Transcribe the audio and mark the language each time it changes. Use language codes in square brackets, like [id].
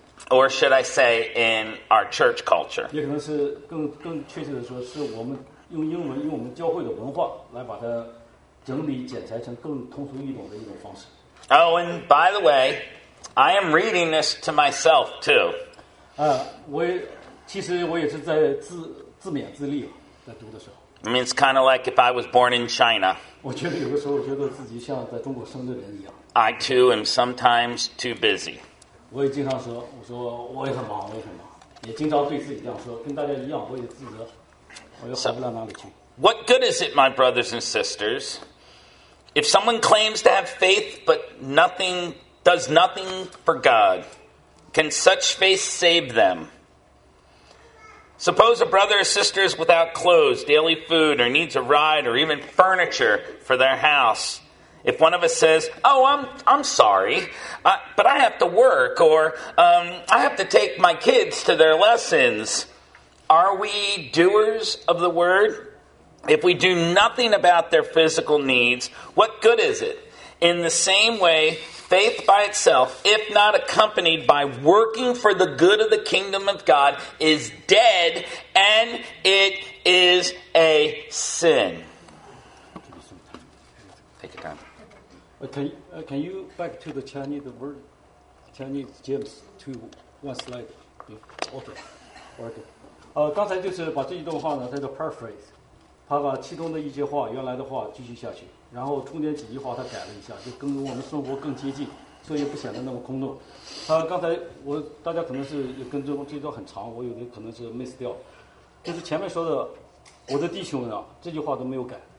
[en] Or should I say in our church culture? Oh, and by the way,I am reading this to myself too. [zh] 我也是在自勉自励，在读的时候。 [en] I mean, it's kind of like if I was born in China. [zh] 我觉得有的时候觉得自己像在中国生的人一样。 [en] I too am sometimes too busy. [zh] 我也经常说，我说我也很忙，我也很忙，也经常对自己这样说，跟大家一样，我也自责，我又好不到哪里去。 [en] What good is it, my brothers and sisters, if someone claims to have faith but nothing? Does nothing for God? Can such faith save them? Suppose a brother or sister is without clothes, daily food, or needs a ride, or even furniture for their house. If one of us says, oh, I'm sorry, but I have to work, or I have to take my kids to their lessons. Are we doers of the word? If we do nothing about their physical needs, what good is it? In the same way,Faith by itself, if not accompanied by working for the good of the kingdom of God, is dead, and it is a sin. Take your time. Can you back to the Chinese word, Chinese James, to one slide? Okay. [zh] 刚才就是把这一段话呢，它叫 paraphrase， 他把其中的一句话，原来的话继续下去。然后中间几句话他改了一下，就跟我们生活更接近，所以不显得那么空洞。刚才我大家可能是跟这这段很长，我有的可能是 miss 掉，就是前面说的，我的弟兄们啊，这句话都没有改。